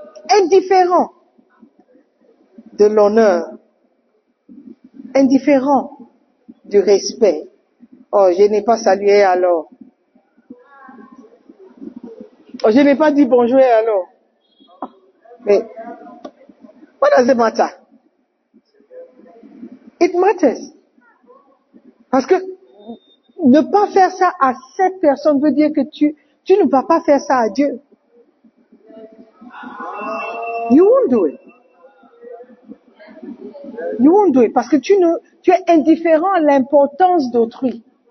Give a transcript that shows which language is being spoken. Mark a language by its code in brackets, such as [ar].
[fr] Indifférent de l'honneur. Indifférent du respect. Oh, je n'ai pas salué alors. Oh, je n'ai pas dit bonjour et alors. [en] Mais, what does it matter? It matters. [fr] Parce que ne pas faire ça à cette personne veut dire que tu ne vas pas faire ça à Dieu. [en] You won't do it. You won't do it. [fr] Parce que tu es indifférent à l'importance d'autrui.